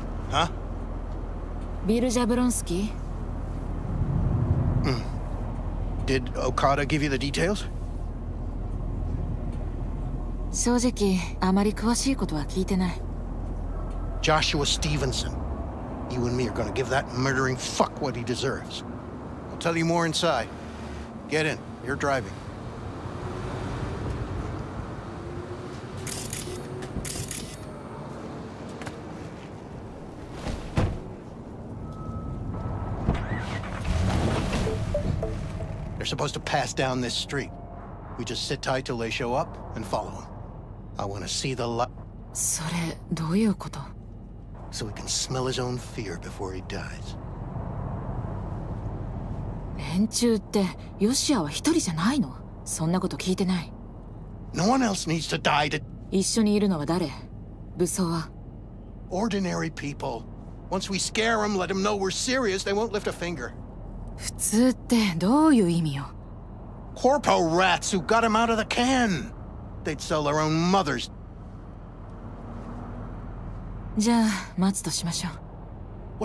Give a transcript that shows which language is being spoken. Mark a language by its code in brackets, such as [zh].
[ja] は？ビル・ジャブロンスキー？ [en] うん。Did Okada give you the details? [ja] 正直、あまり詳しいことは聞いてない。 [en] Joshua Stevenson. You and me are going to give that murdering fuck what he deserves. I'll tell you more inside. Get in. You're driving. Supposed to pass down this street. We just sit tight till they show up and follow them. I want to see the light. [ja] それどういうこと? [en] So he can smell his own fear before he dies. [ja] 連中ってヨシアは一人じゃないの?そんなこと聞いてない。 [en] No one else needs to die to. [ja] 一緒にいるのは誰?武装は? [en] Ordinary people. Once we scare them, let them know we're serious, they won't lift a finger. [ja] 普通ってどういう意味よ? [en] Corpo rats who got him out of the can! They'd sell their own mothers! [ja] じゃあ、待つとしましょう。